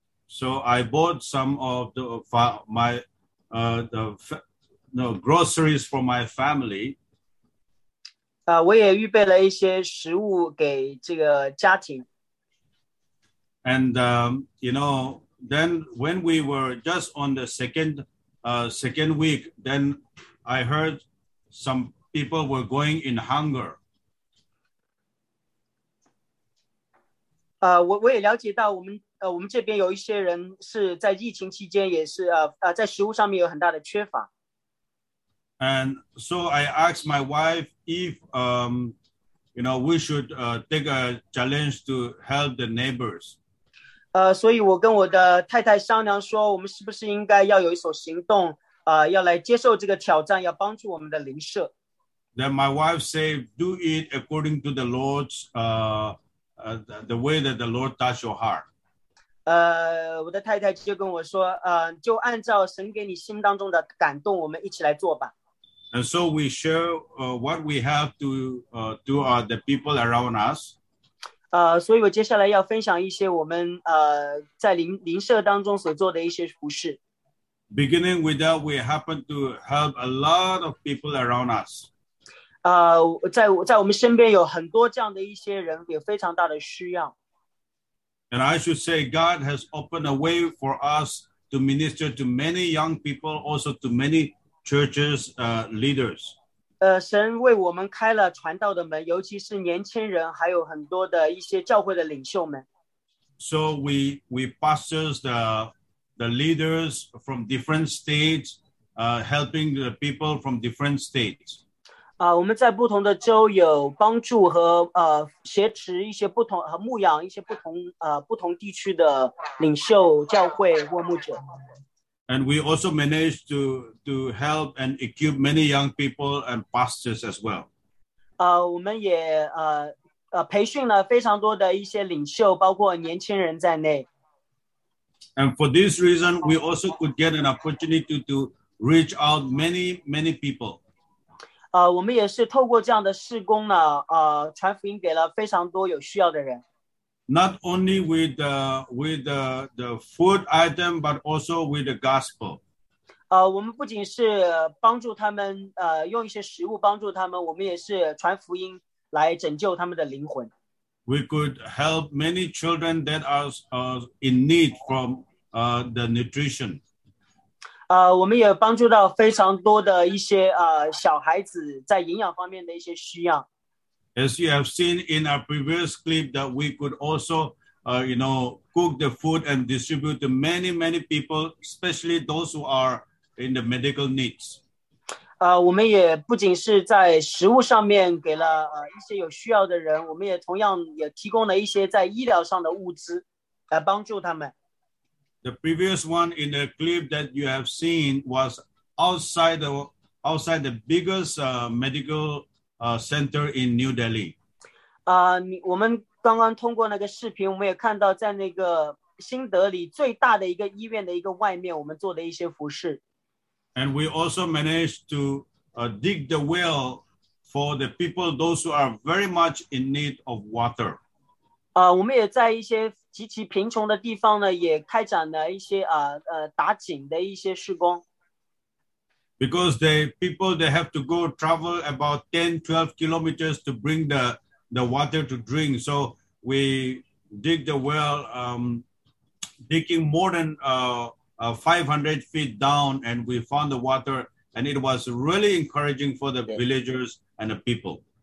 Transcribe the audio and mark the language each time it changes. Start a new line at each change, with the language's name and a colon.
English: So I bought some of the groceries for my family.
Chinese: 我也预备了一些食物给这个家庭。
English: And you know, then when we were just on the second week, then I heard some people were going in hunger.
Chinese: 我也了解到我们这边有一些人是在疫情期间也是在食物上面有很大的缺乏。
English: And so I asked my wife if you know, we should take a challenge to help the neighbors.
Chinese: 所以我跟我的太太商量说，我们是不是应该要有一所行动，要来接受这个挑战，要帮助我们的邻舍。
English: Then my wife said, "Do it according to the Lord's the way that the Lord touch your heart."
Chinese: 我的太太就跟我说，就按照神给你心当中的感动，我们一起来做吧。
English: And so we share what we have to the people around us.
Chinese: 所以我接下来要分享一些我们在邻舍当中所做的一些服事。
English: Beginning with that, we happen to help a lot of people around us.
Chinese: 在我们身边有很多这样的一些人，有非常大的需要。
English: And I should say, God has opened a way for us to minister to many young people, also to many churches, leaders.
Chinese: 神为我们开了传道的门，尤其是年轻人，还有很多的一些教会的领袖们。
English: So we pastors the leaders from different states, helping the people from different states.
Chinese: 我们在不同的州有帮助和挟持一些不同和牧养一些不同地区的领袖、教会或牧者。
English: And we also managed to help and equip many young people and pastors as well.
Chinese: 我们也培训了非常多的一些领袖，包括年轻人在内。
English: And for this reason, we also could get an opportunity to reach out many, many people.
Chinese: 我们也是透过这样的事工呢，传福音给了非常多有需要的人。
English: Not only with the food item, but also with the gospel.
Chinese: 我们不仅是帮助他们，用一些食物帮助他们，我们也是传福音来拯救他们的灵魂。
English: We could help many children that are in need from the nutrition.
Chinese: 我们也帮助到非常多的一些小孩子在营养方面的一些需要。
English: As you have seen in our previous clip, that we could also, you know, cook the food and distribute to many, many people, especially those who are in the medical needs.
Chinese: 我们也不仅是在食物上面给了一些有需要的人，我们也同样也提供了一些在医疗上的物资来帮助他们。
English: The previous one in the clip that you have seen was outside the biggest medical center in New Delhi.
Chinese: 我们刚刚通过那个视频，我们也看到在那个新德里最大的一个医院的一个外面，我们做的一些服事。
English: And we also managed to dig the well for the people, those who are very much in need of water.
Chinese: 我们也在一些极其贫穷的地方呢，也开展了一些打井的一些施工。
English: Because the people, they have to go travel about 10, 12 kilometers to bring the water to drink. So we dig the well, digging more than 500 feet down, and we found the water, and it was really encouraging for the villagers and the people.